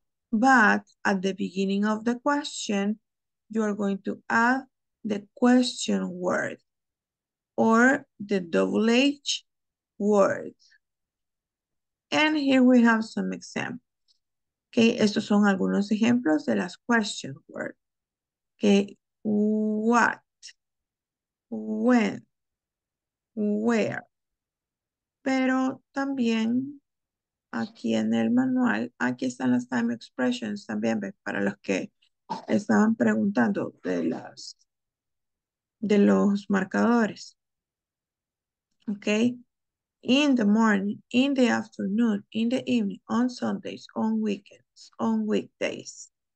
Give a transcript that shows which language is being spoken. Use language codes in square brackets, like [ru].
[en] But at the beginning of the question, you are going to add the question word or the WH word. And here we have some examples. [es] Okay, estos son algunos ejemplos de las [en] question words. Okay, what, when, where. [es] Pero también aquí en el manual, aquí están las [en] time expressions [es] también, ¿ves? Para los que estaban preguntando de los marcadores. [en] Okay. In the morning, in the afternoon, in the evening, on Sundays, on weekends, on weekdays.